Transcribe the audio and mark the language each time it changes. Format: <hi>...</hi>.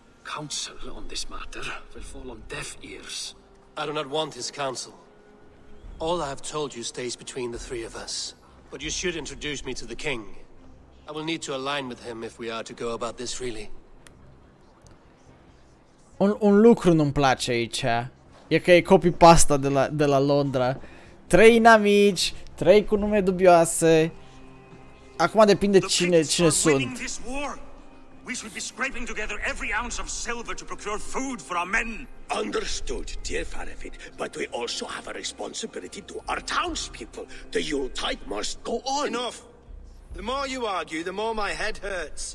<en>Counsel on this matter will fall on deaf ears. I do not want his counsel. All I have told you stays between the three of us. But you should introduce me to the king. I will need to align with him if we are to go about this freely.</en> <ro>Un lucru nu-mi place aici. E că e copy-pasta de la Londra. Trei inamici, trei cu nume dubioase. Acum depinde cine sunt.</ro> <en>We should be scraping together every ounce of silver to procure food for our men. Understood, dear Farefit, but we also have a responsibility to our townspeople. The Yuletide must go on. Enough. The more you argue, the more my head hurts.</en>